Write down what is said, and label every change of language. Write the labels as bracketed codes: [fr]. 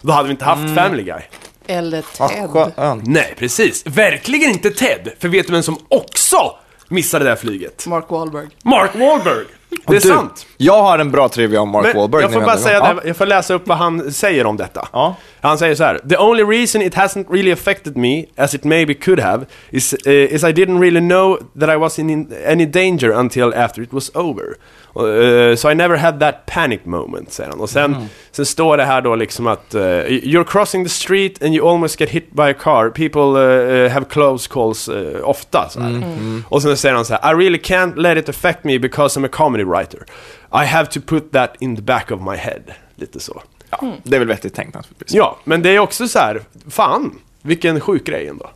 [sv] Då hade vi inte haft Family Guy. Eller Ted. Nej, precis. Verkligen inte Ted. För vet du vem som också missade det där flyget? Mark Wahlberg. Mark Wahlberg. Det är sant. Jag har en bra trivia om Mark Wahlberg. Jag får bara säga det. Jag får läsa upp vad han säger om detta. Ja. Han säger så här: [en] "The only reason it hasn't really affected me as it maybe could have is I didn't really know that I was in any danger until after it was over. So I never had that panic moment," [sv] säger han. Och sen, sen står det här då liksom att [en] "you're crossing the street and you almost get hit by a car. People have close calls [sv] ofta." Så här. Och sen säger han så här: [en] "I really can't let it affect me because I'm a comedy writer. I have to put that in the back of my head." [sv] Lite så. Ja, det är väl vettigt tänkt naturligtvis. Ja, men det är också så här, fan, vilken sjuk grej ändå.